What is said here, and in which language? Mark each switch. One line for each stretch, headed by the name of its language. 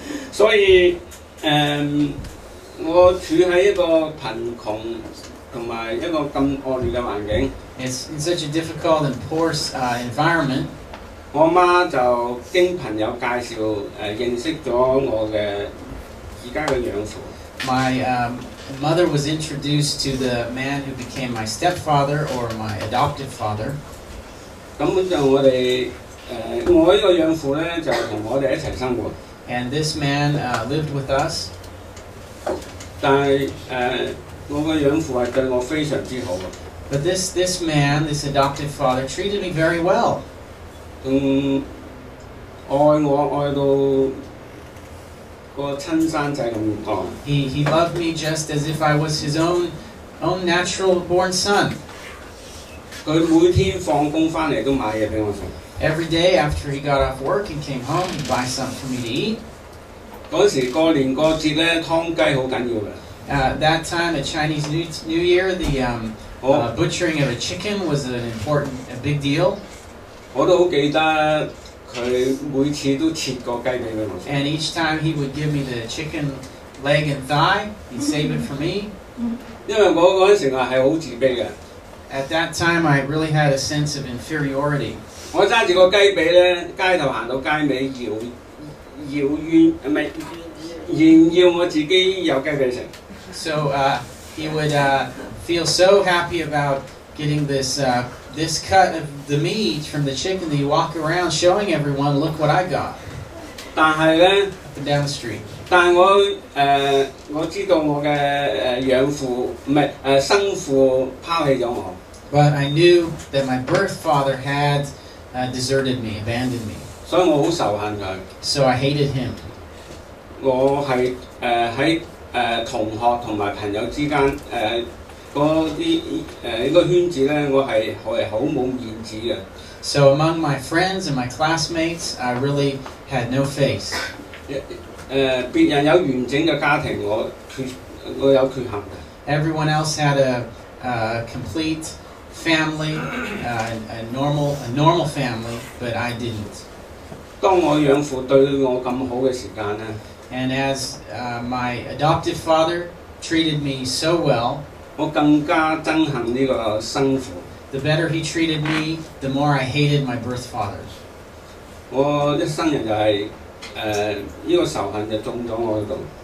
Cantonese: 所以我處喺一個貧窮同埋一個咁惡劣嘅環境。
English: It's in such a difficult and poor environment.
Cantonese: 我媽就經朋友介紹認識咗我嘅而家嘅養父。
English: My mother was introduced to the man who became my stepfather or my adopted father.
Cantonese: 根本就我哋我一個養父咧，就同我哋一齊生活。
English: And this man lived with us.
Cantonese: 但係我個養父係對我非常之好。
English: But this man, this adopted father, treated me very well.
Cantonese: 愛我愛到個親生仔咁講。
English: He loved me just as if I was his own natural born son.
Cantonese: 佢每天放工翻嚟都買嘢俾我食。
English: Every day after he got off work and came home, he'd buy something for me to eat.
Cantonese: 嗰時過年過節咧，湯雞好緊要嘅。
English: That time at Chinese New Year, the butchering of a chicken was a big deal.
Cantonese: 我都好記得佢每次都切個雞俾我食。
English: And each time he would give me the chicken leg and thigh, he'd save it for me.
Cantonese: 因為我嗰陣時我係好自卑嘅。
English: At that time, I really had a sense of inferiority.
Cantonese: 我揸住個雞髀咧，街頭行到街尾炫耀我自己有雞髀食。
English: So he would feel so happy about getting this cut of the meat from the chicken that he walk around showing everyone, look what I got.
Cantonese: 但係咧，
English: down the street.
Cantonese: 但我我知道我嘅養父唔係生父拋棄咗我。
English: But I knew that my birth father had deserted me, abandoned me.
Cantonese: 所以我好仇恨佢。
English: So I hated him.
Cantonese: 我係喺同學同埋朋友之間嗰啲個圈子咧，我係好冇面子嘅。
English: So among my friends and my classmates, I really had no face.
Cantonese: 別人有完整嘅家庭，我有缺陷嘅。
English: Everyone else had a complete family, a normal family, but I didn't.
Cantonese: 當我養父對我咁好嘅時間咧，
English: and as my adoptive father treated me so well,
Cantonese: 我更加憎恨呢個生父。
English: The better he treated me, the more I hated my birth father.
Cantonese: 我一生人就係呢個仇恨就種咗我喺度。